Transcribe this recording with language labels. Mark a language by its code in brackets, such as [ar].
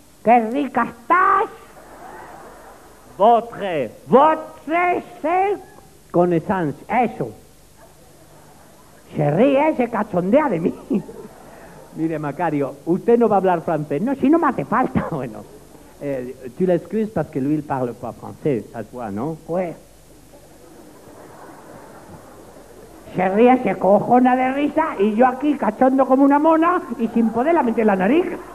[es] Qué rica estás. [fr] Votre. Votre, sí. Con esance. [es] Eso. Se ríe, se cachondea de mí. Mire, Macario, usted no va a hablar francés. No, si no me hace falta, bueno. [fr] Tu l'excuses parce que lui, il parle pas français, ça se voit, non? Ouais. [es] Se ríe, se cojona de risa, y yo aquí cachondo como una mona y sin poderla meter la nariz.